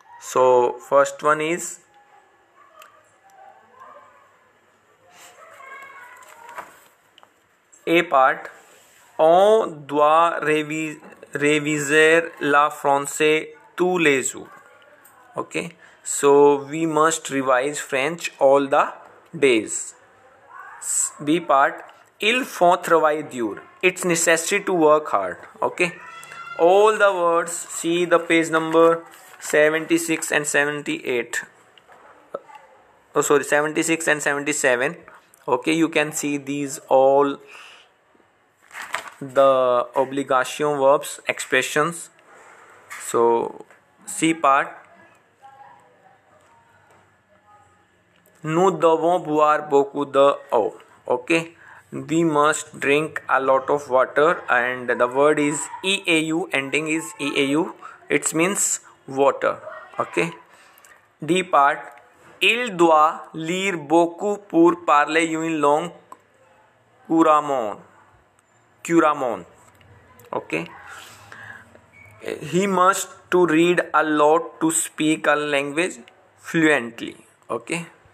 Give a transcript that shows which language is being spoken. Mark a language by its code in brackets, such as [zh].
[en] So first one is A part [fr] on doit réviser la français tous les jours. Okay. [en] So we must revise French all the days. B part [fr] il faut travailler dur. [en] It's necessary to work hard. Okay. All the words see the page number 76 and 77 okay. You can see these all the obligation verbs expressions. [fr] So C part nous devons boire beaucoup de eau okay. [en] We must drink a lot of water and the word is EAU ending is EAU. It means water okay. D part [fr] il doit lire beaucoup pour parler une langue couramment [en] okay. He must to read a lot to speak a language fluently okay.